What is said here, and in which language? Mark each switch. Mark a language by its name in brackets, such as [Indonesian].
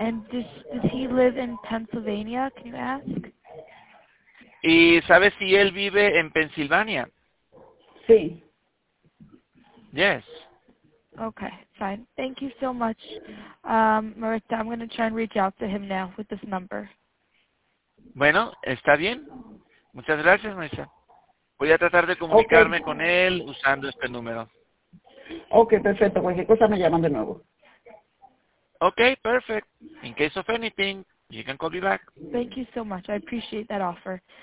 [English] And does he live in Pennsylvania, can you ask? [Spanish] ¿Y sabes si él vive en Pensilvania? Sí. [English] Yes. Okay, fine. Thank you so much. Maritza, I'm going to try and reach out to him now with this number. [Spanish] Bueno, está bien. Muchas gracias, Maritza. Voy a tratar de comunicarme con él usando este número. Ok, perfecto. Cualquier cosa me llaman de nuevo. [English] Ok, perfect. In case of anything, you can call me back. Thank you so much. I appreciate that offer.